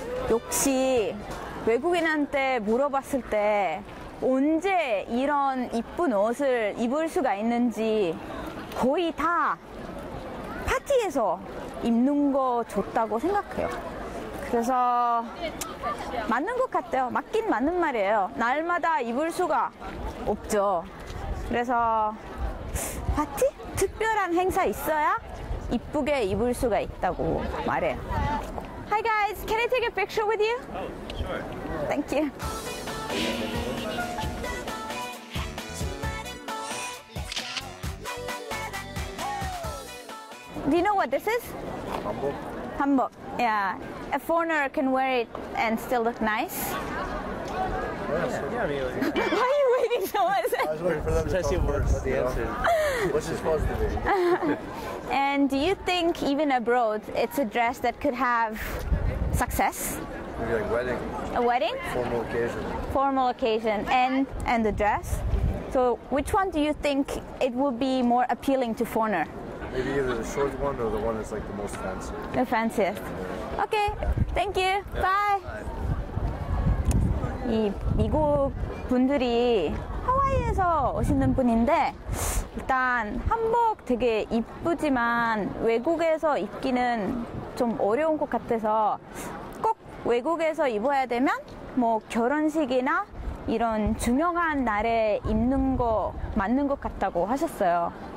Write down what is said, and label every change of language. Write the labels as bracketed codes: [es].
[ko] 역시 외국인한테 물어봤을 때 언제 이런 이쁜 옷을 입을 수가 있는지 거의 다 파티에서 입는 거 좋다고 생각해요. 그래서 맞는 것 같아요. 맞긴 맞는 말이에요. 날마다 입을 수가 없죠. 그래서 파티? 특별한 행사 있어야 이쁘게 입을 수가 있다고 말해요. [en] Hi guys, can I take a picture with you? Oh, sure. Thank you. [ko] 한복. 한복. [en] Yeah. A foreigner can wear it and still look nice. Yeah, really. Why are you waiting? question was? I was waiting for them to see what's the answer. What's it supposed to be? And do you think even abroad, it's a dress that could have success? Maybe like wedding. A wedding? Formal occasion. Formal occasion. And the dress? So which one do you think it would be more appealing to foreigner? Maybe either the short one or the one that's like the most fancy. The fanciest. Okay, thank you. Yeah. Bye. Bye. [ko] 이 미국 분들이 하와이에서 오시는 분인데 일단 한복 되게 이쁘지만 외국에서 입기는 좀 어려운 것 같아서 꼭 외국에서 입어야 되면 뭐 결혼식이나 이런 중요한 날에 입는 거 맞는 것 같다고 하셨어요.